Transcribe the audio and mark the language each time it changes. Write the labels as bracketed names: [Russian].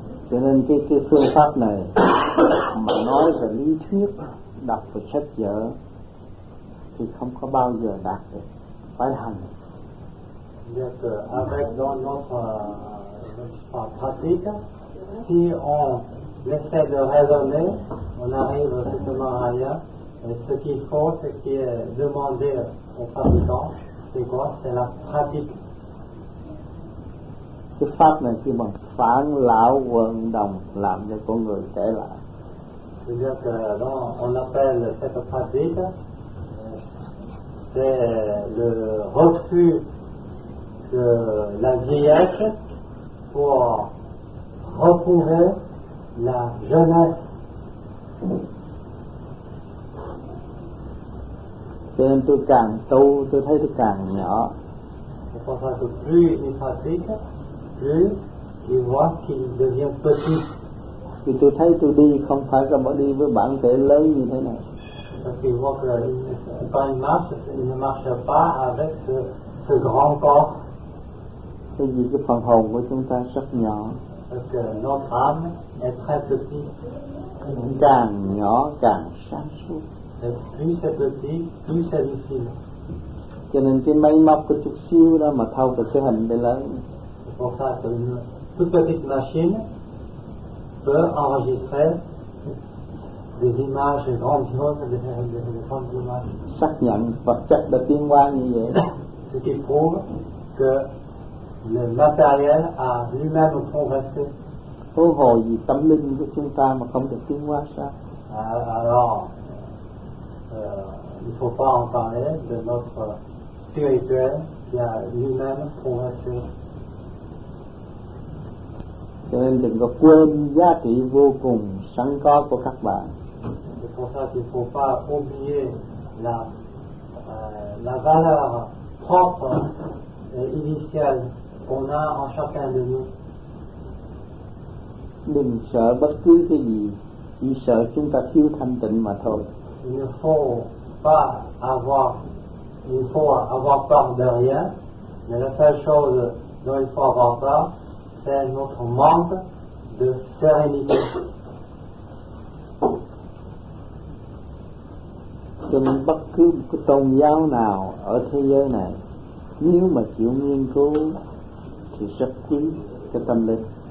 [Vietnamese] Cho nên cái phương pháp này mà nói về lý thuyết, đọc về sách vở thì không có bao giờ đạt được, phải hành. [French] Donc avec notre pratique, si on essaie de raisonner, on arrive simplement à rien. Et ce qu'il faut, ce qui est demandé aux pratiquants, c'est quoi? C'est la pratique. [Vietnamese] Cái pháp này chỉ bằng phản lão quân đồng làm cho con người trẻ lại. [French] C'est-à-dire qu'on appelle cette pratique, c'est le refus de la vieillesse pour retrouver la jeunesse. [Vietnamese] Cho nên tôi càng tu, tôi thấy tôi càng nhỏ. [French] C'est pour ça que plus il pratique, plus il voit qu'il devient petit. [Vietnamese] Thì tôi thấy tôi đi không phải là đi với bản thể lớn như thế này. [French] Parce qu'il voit que quand il marche, il ne marche pas avec ce grand corps. [Vietnamese] Cái gì, cái phần hồn của chúng ta rất nhỏ. [French] Parce que notre âme est très petit. [Vietnamese] Càng nhỏ càng sáng suốt. [French] Et plus c'est petit, plus c'est lucide. [Vietnamese] Cho nên cái máy móc có chút xíu đó mà thâu được cái hình để lớn. [French] Pour ça, une toute petite machine peut enregistrer des images grandioses, des grandes images. [Vietnamese] Xác nhận vật chất đã tiến qua như vậy. [French] Ce qui prouve que le matériel a lui-même progressé. [Vietnamese] Hô hồi gì tâm linh của chúng ta mà không được tiến qua sao? [French] Alors, il ne faut pas en parler de notre spirituel qui a lui-même progressé. [Vietnamese] Cho nên đừng có quên giá trị vô cùng sẵn có của các bạn. [French] C'est pour ça qu'il ne faut pas oublier la valeur propre et initiale qu'on a en chacun de nous. [Vietnamese] đừng sợ bất cứ cái gì, chỉ sợ chúng ta thiếu thanh tịnh mà thôi. [French] Il ne faut pas avoir, il faut avoir peur de rien, mais la seule chose dont il faut avoir peur, c'est notre manque de sérénité. [Vietnamese] Trong bất cứ cái tôn giáo nào ở thế giới này, nếu mà chịu nghiên cứu thì rất quý cái tâm linh.